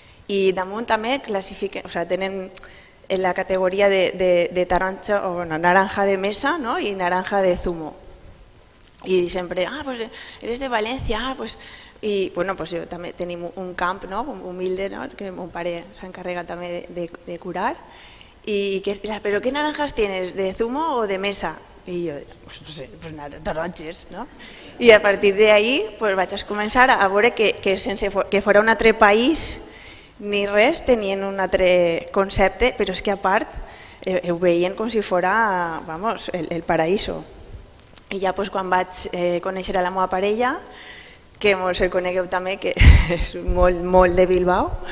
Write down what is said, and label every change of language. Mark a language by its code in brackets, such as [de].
[ca] I damunt també classifiquen, o sea, tenen en la categoria de taronja o bueno, [es] naranja de mesa, [ca] no? I [es] naranja de zumo. [ca] I sempre, [es] ah, pues eres de València, [ca] ah, pues i bueno, pues jo també tenim un camp, no? Humilde, no? Que mon pare s'encarrega també de curar i que però [es] què naranjas tienes, de zumo o de mesa? [ca] I jo, pues no sé, pues taronges, no? I [es] a partir de ahí, [ca] pues vaig a començar a veure que sense que fora un altre país ni res, tenien un altre concepte, però és que a part ho veien com si fora, [es] vamos, el paraíso. [ca] I ja pues, quan vaig conèixer a la meva parella, que molts el conegueu també, que és molt, molt de Bilbao,